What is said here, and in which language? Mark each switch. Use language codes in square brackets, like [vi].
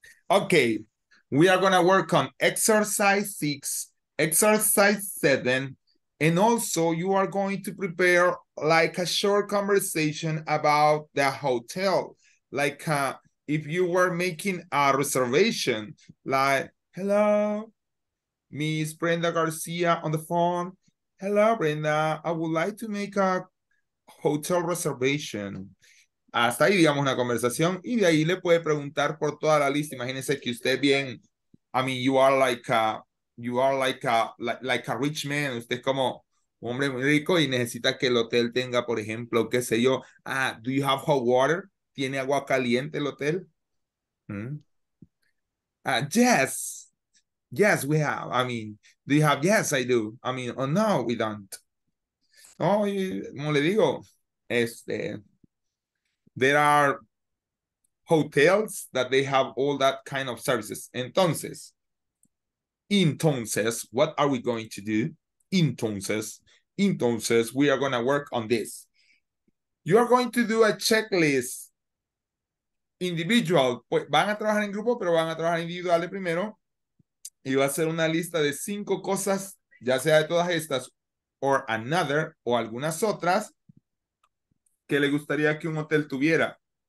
[en] Okay, we are gonna work on exercise 6, exercise 7, and also you are going to prepare like a short conversation about the hotel. Like if you were making a reservation, like, hello, Miss Brenda Garcia on the phone. Hello, Brenda. I would like to make a hotel reservation. [es] Hasta ahí, digamos, una conversación. Y de ahí le puede preguntar por toda la lista. Imagínense que usted bien, [en] I mean, you are like a rich man. [es] Usted es como un hombre muy rico y necesita que el hotel tenga, por ejemplo, qué sé yo. [en] Ah, do you have hot water? [es] ¿Tiene agua caliente el hotel? [en] Yes. Yes, we have. I mean, do you have? Yes, I do. I mean, oh no, we don't. Oh, [es] y, como le digo, este, [en] there are hotels that they have all that kind of services. [es] Entonces, entonces, [en] what are we going to do? [es] Entonces, entonces, [en] we are going to work on this. You are going to do a checklist. [es] Individual, pues, van a trabajar en grupo, pero van a trabajar individuales primero. Y va a ser una lista de 5 cosas, ya sea de todas estas, [en] or another, [es] o algunas otras, que le gustaría que un hotel tuviera.